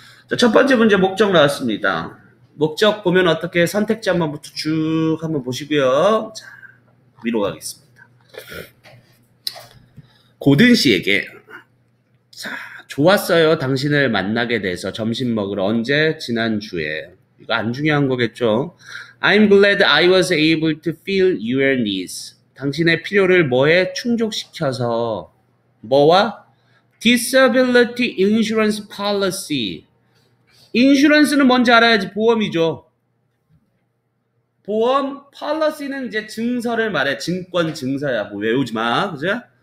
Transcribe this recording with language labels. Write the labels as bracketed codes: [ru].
[ko] 자, 첫 번째 문제 목적 나왔습니다. 목적 보면 어떻게 선택지 한번부터 쭉 한번 보시고요. 자, 위로 가겠습니다. 고든 씨에게, 자, 좋았어요. 당신을 만나게 돼서 점심 먹으러 언제? 지난주에. 이거 안 중요한 거겠죠. [en] I'm glad I was able to fill your needs. [ko] 당신의 필요를 뭐에 충족시켜서, 뭐와? [en] Disability insurance policy. [ko] 인슈런스는 뭔지 알아야지 보험이죠. 보험 policy는 이제 증서를 말해. 증권 증서야. 뭐 외우지 마. 그죠?